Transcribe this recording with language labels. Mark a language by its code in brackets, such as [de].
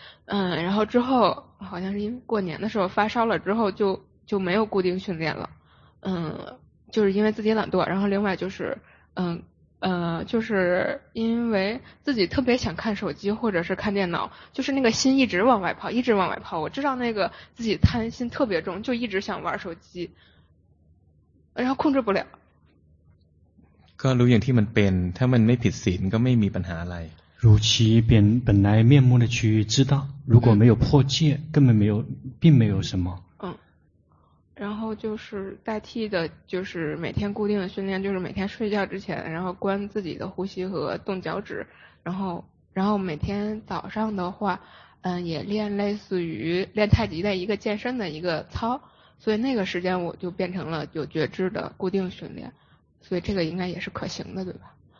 [zh] 嗯，然后之后好像是因为过年的时候发烧了，之后就没有固定训练了。嗯，就是因为自己懒惰，然后另外就是就是因为自己特别想看手机或者是看电脑，就是那个心一直往外跑，一直往外跑。我知道那个自己贪心特别重，就一直想玩手机，然后控制不了。 [th] ก็รู้อย่างที่มันเป็นถ้ามันไม่ผิดศีลก็ไม่มีปัญหาอะไร [zh] 如其本来面目的去知道，如果没有破戒，根本没有，并没有什么。嗯，然后就是代替的，就是每天固定的训练，就是每天睡觉之前，然后观自己的呼吸和动脚趾，然后每天早上的话，嗯，也练类似于练太极的一个健身的一个操，所以那个时间我就变成了有觉知的固定训练，所以这个应该也是可行的，对吧？